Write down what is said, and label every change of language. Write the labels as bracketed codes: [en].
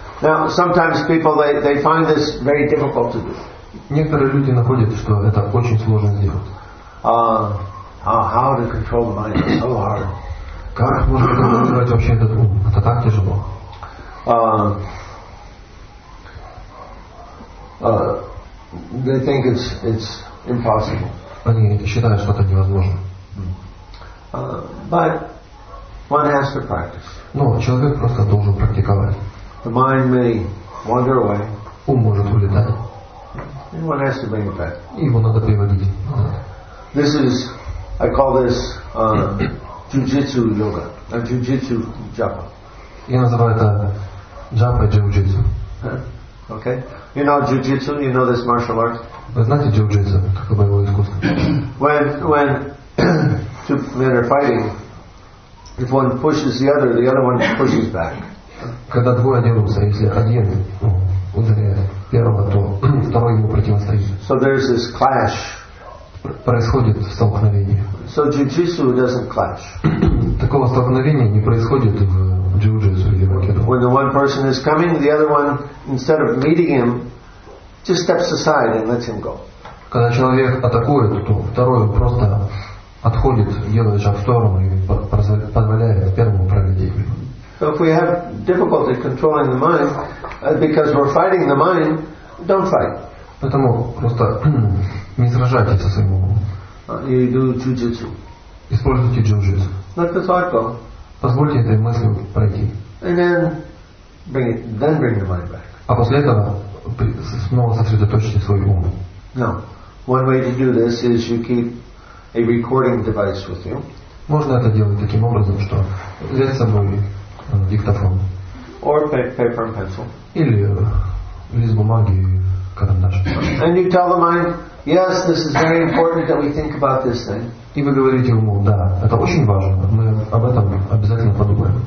[en] Now, sometimes people they find this very difficult to do. [ru] Некоторые люди находят, что это очень сложно сделать. [en] How to control the mind is so hard. [ru] Как можно контролировать вообще этот ум? Это так тяжело. [en] They think it's impossible. [ru] Они считают, что это невозможно. [en] But one has to practice. [ru] Но человек просто должен практиковать. [en] The mind may wander away. [ru] Ум может улетать. [en] And one has to bring it back. [ru] Его надо приводить. [en] This is, I call this jiu-jitsu yoga, a jiu-jitsu japa. [ru] Я называю это джапа джиу-джитсу. [en] Okay. You know jiu-jitsu, you know this martial art? [ru] Вы знаете джиу-джитсу, как боевое искусство? [en] When two men are fighting, if one pushes the other one pushes back. [ru] Когда двое дерутся, если один ударяет первого, то второй ему противостоит. [en] So there's this clash. [ru] Происходит столкновение. [en] So jiu-jitsu doesn't clash. [ru] Такого столкновения не происходит в джиу-джитсу или в айкидо. [en] When the one person is coming, the other one, instead of meeting him, just steps aside and lets him go. [ru] Когда человек атакует, то второй просто отходит, делает шаг в сторону и позволяет первому пройти. [en] So if we have difficulty controlling the mind, because we're fighting the mind, don't fight. [ru] Поэтому просто не сражайтесь со своим умом. [en] You do jiu-jitsu. [ru] Используйте джиу-джитсу. [en] Let the thought go. [ru] Позвольте этой мысли пройти. [en] And then bring your mind back. [ru] А после этого снова сосредоточьте свой ум. [en] Now, one way to do this is you keep a recording device with you. [ru] Можно это делать таким образом, что взять с собой диктофон. [en] Or paper and pencil. [ru] Или лист бумаги. [en] And you tell the mind, yes, this is very important that we think about this thing. [ru] И вы говорите уму, да, это очень важно. Мы об этом обязательно подумаем.